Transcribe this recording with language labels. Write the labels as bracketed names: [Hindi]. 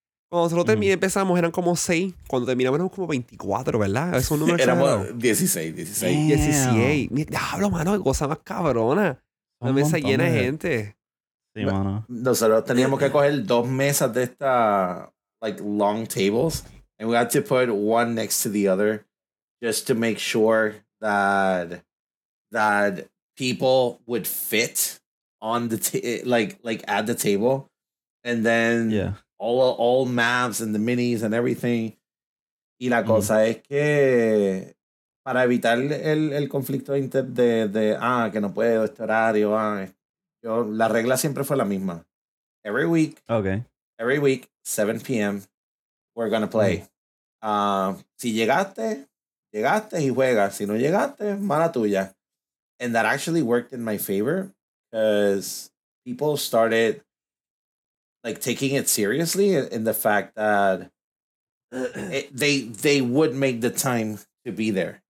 [Spanish] Cuando nosotros empezamos, eran como 6. Cuando terminamos, eran como 24, ¿verdad? Es un número. Éramos 16. Damn. 16. Diablo, mano, qué cosa más cabrona. Una mesa llena de gente. Sí, mano. Nosotros teníamos que coger dos mesas de estas, [English] like, long tables. And we had to put one next to the other just to make sure that people would fit on the like at the table. And then all maps and the minis and everything. [Spanish] Y la cosa es que para evitar el conflicto de que no puedo este horario. La regla siempre fue la misma. [English] Every week. Okay. Every week, 7 p.m., we're going to play. Mm. [Spanish] Si llegaste y juegas. Si no llegaste, mala tuya. [English] And that actually worked in my favor because people started like taking it seriously in the fact that they would make the time to be there.